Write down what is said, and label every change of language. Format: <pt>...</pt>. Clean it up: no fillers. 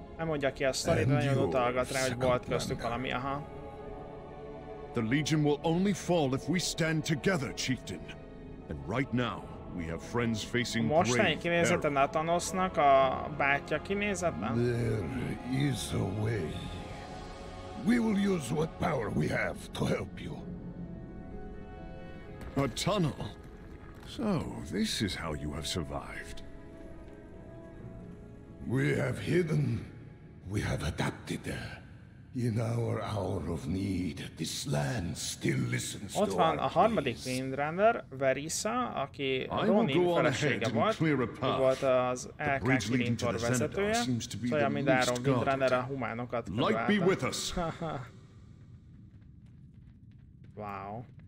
<hu>Nem mondja ki a sztorit, nagyon utalgat rá, hogy volt köztük valami, aha.</hu> <en>The Legion will only fall if we stand together, chieftain. And right now, we have friends facing grave peril.</en> <hu>Mostani kinézete Nathanosnak, a bátyja kinézetben?</hu> <en>There is a way. We will use what power we have to help you. A tunnel? So, this is how you have survived. We have hidden. We have adapted. In our hour of need, this land still listens to us.</en> <hu>Ott van a harmadik Windrunner, Verissa, aki Ronin felesége volt. Ő volt az LKK Linthor vezetője. Szóval mindáron Windrunner a humánokat kedvelte.</hu> <en>Wow.</en>